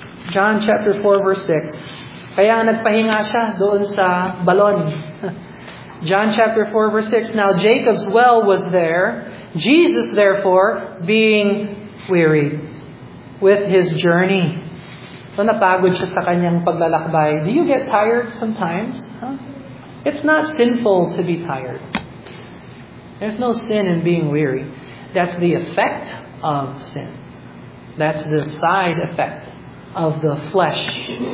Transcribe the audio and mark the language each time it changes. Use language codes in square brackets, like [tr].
[en] John chapter 4 verse 6. [tl] Kaya nagpahinga siya doon sa balon. [en] John chapter 4 verse 6. Now Jacob's well was there. Jesus therefore being weary with his journey. [tl] So napagod siya sa kanyang paglalakbay. [en] Do you get tired sometimes? Huh? It's not sinful to be tired. There's no sin in being weary. That's the effect of sin. That's the side effect of the flesh.